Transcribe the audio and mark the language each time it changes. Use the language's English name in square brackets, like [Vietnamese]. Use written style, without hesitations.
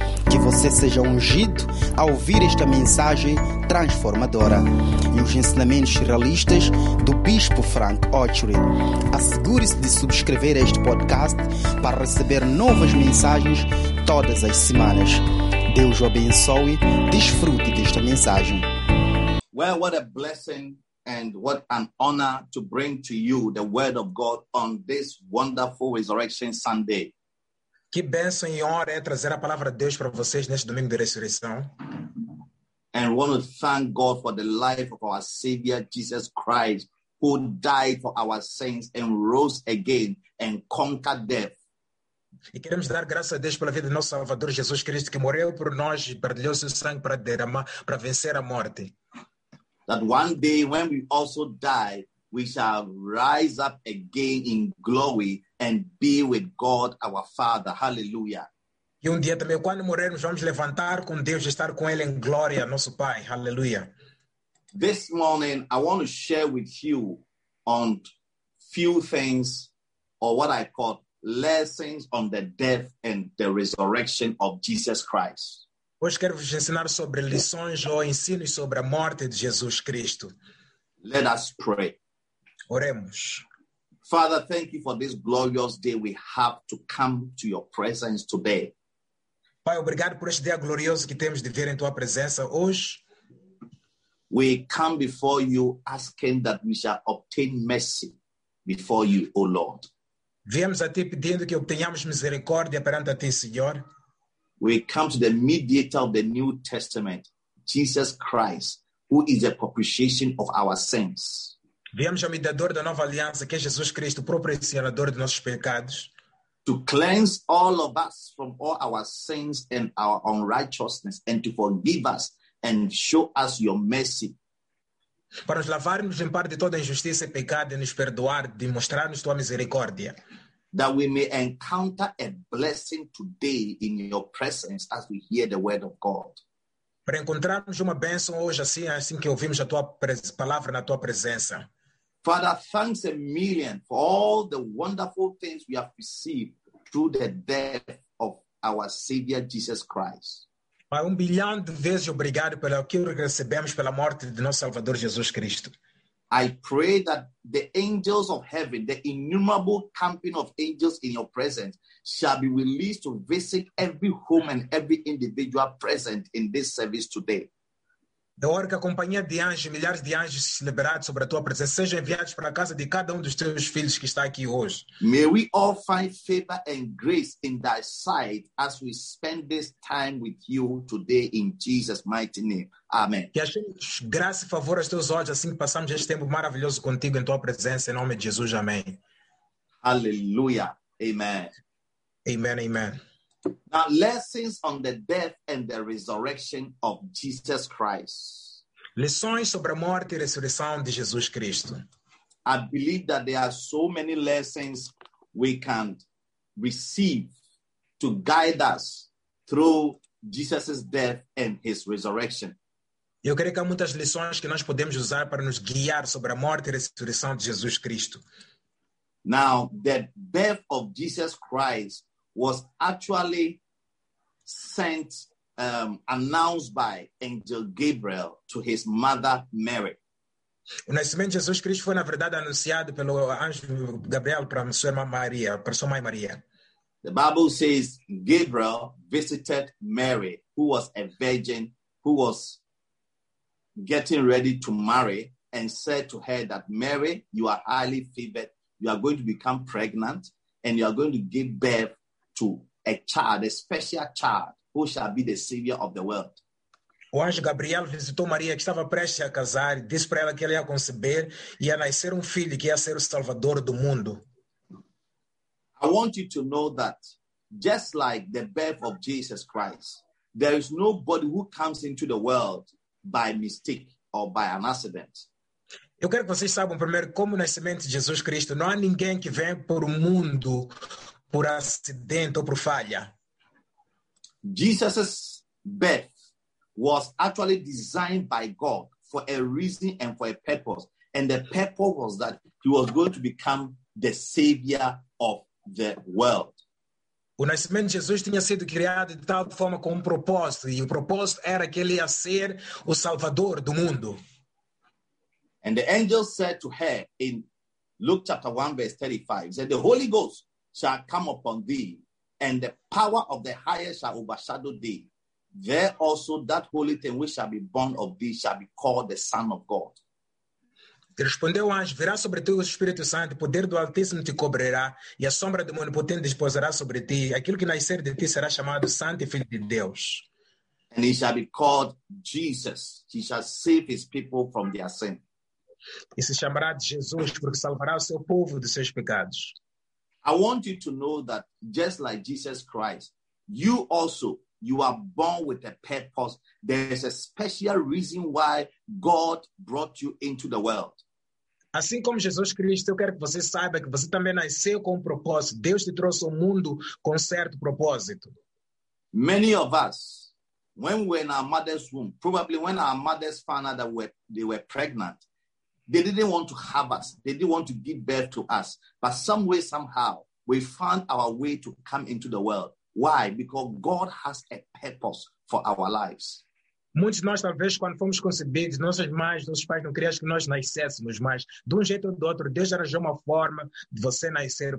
[Portuguese] Que você seja ungido a ouvir esta mensagem transformadora e os ensinamentos realistas do Bispo Frank Ochery. Assegure-se de subscrever este podcast para receber novas mensagens todas as semanas. Deus o abençoe. Desfrute desta mensagem. [English] Well, what a blessing and what an honor to bring to you the Word of God on this wonderful Resurrection Sunday. [Portuguese] Que bênção e honra é trazer a palavra de Deus para vocês neste domingo de ressurreição. [English] And we want to thank God for the life of our Savior Jesus Christ, who died for our sins and rose again and conquered death. [Portuguese] E queremos dar graças a Deus pela vida do nosso Salvador Jesus Cristo, que morreu por nós e partilhou seu sangue para derramar, para vencer a morte. [English] That one day when we also die, we shall rise up again in glory and be with God our Father. Hallelujah. [Portuguese] E dia também, quando morrermos, vamos levantar com Deus e estar com Ele em glória, nosso Pai. [English] Hallelujah. This morning, I want to share with you on few things, or what I call lessons on the death and the resurrection of Jesus Christ. [Portuguese] Hoje quero vos ensinar sobre lições ou ensinos sobre a morte de Jesus Cristo. [English] Let us pray. [Portuguese] Oremos. [English] Father, thank you for this glorious day we have to come to your presence today. [Portuguese] Pai, obrigado por este dia glorioso que temos de vir em tua presença hoje. [English] We come before you asking that we shall obtain mercy before you, O Lord. [Portuguese] Viemos a ti pedindo que obtenhamos misericórdia perante a ti, Senhor. [English] We come to the mediator of the New Testament, Jesus Christ, who is the propitiation of our sins. [Portuguese] Viemos ao mediador da nova aliança, que é Jesus Cristo, o propiciador de nossos pecados. [English] To cleanse all of us from all our sins and our unrighteousness, and to forgive us and show us your mercy. [Portuguese] Para nos lavar e nos limpar de toda injustiça e pecado, e nos perdoar, de mostrar-nos tua misericórdia. [English] That we may encounter a blessing today in your presence as we hear the word of God. [Portuguese] Para encontrarmos uma bênção hoje assim que ouvimos a tua palavra na tua presença. [English] Father, thanks a million for all the wonderful things we have received through the death of our Savior Jesus Christ. [Portuguese] Pai, bilhão de vezes obrigado pelo que recebemos pela morte de nosso Salvador Jesus Cristo. [English] I pray that the angels of heaven, the innumerable company of angels in your presence, shall be released to visit every home and every individual present in this service today. [Portuguese] Eu oro que a companhia de anjos, milhares de anjos liberados sobre a tua presença, sejam enviados para a casa de cada dos teus filhos que está aqui hoje. [English] May we all find favor and grace in thy sight as we spend this time with you today in Jesus' mighty name. Amen. [Portuguese] Que achemos graça e favor aos teus olhos assim que passamos este tempo maravilhoso contigo em tua presença, em nome de Jesus. Amém. Aleluia. Amen. Amen, amen. [English] Now, lessons on the death and the resurrection of Jesus Christ. [Portuguese] Lições sobre a morte e ressurreição de Jesus Cristo. [English] I believe that there are so many lessons we can receive to guide us through Jesus' death and his resurrection. [Portuguese] Eu creio que há muitas lições que nós podemos usar para nos guiar sobre a morte e ressurreição de Jesus Cristo. [English] Now, the death of Jesus Christ was actually sent, announced by Angel Gabriel to his mother Mary. [Portuguese] O nascimento de Jesus Cristo foi, na verdade, anunciado pelo anjo Gabriel para sua irmã Maria, para sua mãe Maria. [English] The Bible says Gabriel visited Mary, who was a virgin, who was getting ready to marry, and said to her that, Mary, you are highly favored, you are going to become pregnant, and you are going to give birth to a child, a special child, who shall be the savior of the world. [Portuguese] O anjo Gabriel visitou Maria, que estava prestes a casar, e disse para ela que ela ia conceber e ia nascer filho que ia ser o salvador do mundo. [English] I want you to know that just like the birth of Jesus Christ, there is nobody who comes into the world by mistake or by an accident. [Portuguese] Eu quero que vocês saibam primeiro como o nascimento de Jesus Cristo, não há ninguém que vem por o mundo por acidente ou por falha. [English] Jesus' birth was actually designed by God for a reason and for a purpose. And the purpose was that he was going to become the savior of the world. [Portuguese] O nascimento de Jesus tinha sido criado de tal forma com um propósito, e o propósito era que ele ia ser o Salvador do mundo. [English] And the angel said to her in Luke chapter 1 verse 35, said, the Holy Ghost shall come upon thee, and the power of the highest shall overshadow thee. There also that holy thing which shall be born of thee shall be called the Son of God. [Portuguese] Respondeu o anjo, virá sobre ti o Espírito Santo, o poder do Altíssimo te cobrirá, e a sombra do mundo potente desposará sobre ti. Aquilo que nascer de ti será chamado Santo e Filho de Deus. [English] And he shall be called Jesus. He shall save his people from their sin. [Portuguese] E se chamará de Jesus, porque salvará o seu povo dos seus pecados. [English] I want you to know that just like Jesus Christ, you also, you are born with a purpose. There is a special reason why God brought you into the world. [Portuguese] Assim como Jesus Cristo, eu quero que você saiba que você também nasceu com um propósito. Deus te trouxe ao mundo com um certo propósito. [English] Many of us, when we were in our mother's womb, probably when our mothers found out that they were pregnant, they didn't want to have us. They didn't want to give birth to us. But some way, somehow, we found our way to come into the world. Why? Because God has a purpose for our lives. [Portuguese] Muitos de nós, talvez, quando fomos concebidos, nossas mães, nossos pais não queriam que nós nascêssemos, mas de um jeito ou de outro, Deus arranjou uma forma de você nascer.